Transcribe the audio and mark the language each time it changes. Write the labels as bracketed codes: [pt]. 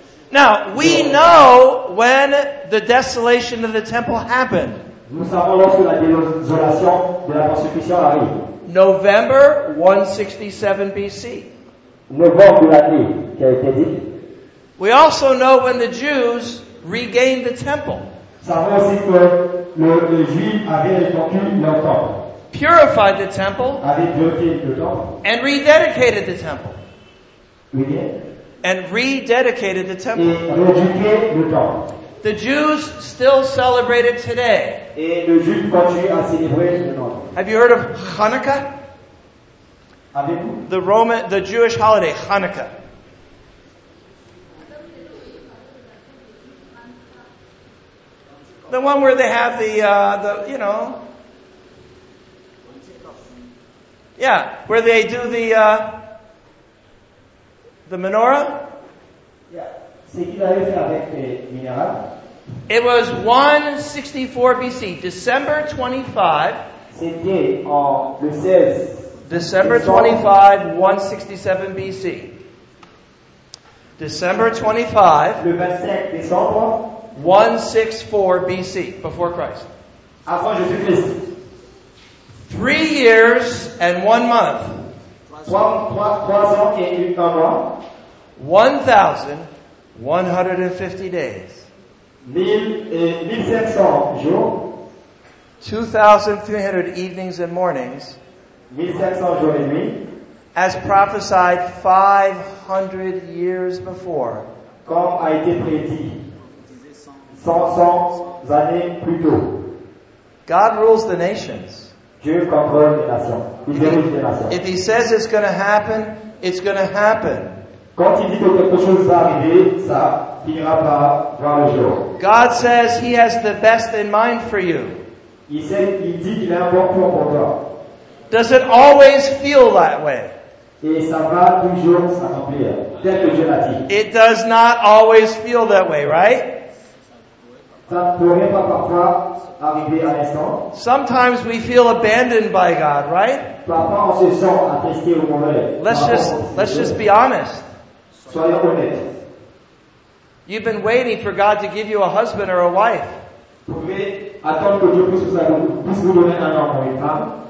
[en] Now, we know when the desolation of the temple happened. [fr] Nous savons lorsque la désolation de la persécution arrive. [en] November 167 BC. [fr] November de l'année qui a été dit. [en] We also know when the Jews regained the temple. [fr] Savons aussi que les Juifs avaient reconquis leur temple. [en] Purified the temple. [fr] Avaient purifié le temple. [en] And rededicated the temple. [fr] Oui. [en] and rededicated the temple. [fr] Et rededicate le temple. [en] The Jews still celebrate it today. [fr] Et le juif continue à célébrer le temple. [en] Have you heard of Hanukkah? [fr] Avez-vous? [en] The Roman, the Jewish holiday, Hanukkah. The one where they have the yeah, where they do the menorah. [fr] Yeah, c'est qui l'avait fait avec les minéraux? [en] It was 164 BC, December 25. [fr] C'était en le 16. [en] December 25, 167 BC. December 25, [fr] le 27 décembre, [en] 164 BC, before Christ. [fr] Avant Jésus-Christ. [en] 3 years and 1 month. [fr] 3 ans et 1 mois. [en] 1,150 days. [fr] 1,700 jours. [en] 2,300 evenings and mornings. [fr] 1700 jours et demi, [en] as prophesied 500 years before, [fr] comme a été prédit 500 années plus tôt. [en] God rules the nations. [fr] Dieu contrôle les nations. [en] If he says it's going to happen, it's going to happen. [fr] Quand il dit que quelque chose va arriver, ça finira par voir le jour. [en] God says he has the best in mind for you. [fr] Il dit qu'il a un bon plan pour toi. [en] Does it always feel that way? [fr] Et ça va toujours s'accomplir, tel que Dieu l'a dit. [en] It does not always feel that way, right? [fr] Ça pourrait pas parfois arriver à l'instant. [en] Sometimes we feel abandoned by God, right? [fr] Parfois on se sent attristé ou mauvais. [en] Let's just be honest. [fr] Soyons honnêtes. [en] You've been waiting for God to give you a husband or a wife. [fr] Vous pouvez attendre que Dieu puisse vous donner un homme ou une femme.